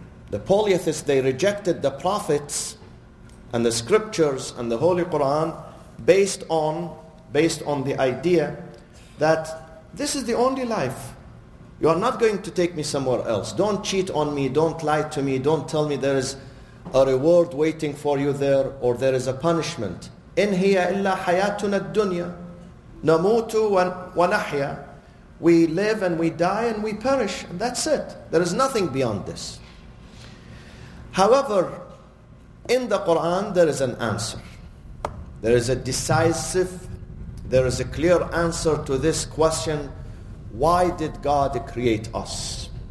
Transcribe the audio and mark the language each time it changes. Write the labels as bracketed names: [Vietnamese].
[English] The polytheists, they rejected the prophets and the scriptures and the Holy Quran based on the idea that this is the only life. You are not going to take me somewhere else. Don't cheat on me. Don't lie to me. Don't tell me there is a reward waiting for you there, or there is a punishment. [Arabic] إن هي إلا حياتنا الدنيا نموت ونحيا. [English] We live and we die and we perish. And that's it. There is nothing beyond this. However, in the Quran, there is an answer. There is a decisive, there is a clear answer to this question, why did God create us?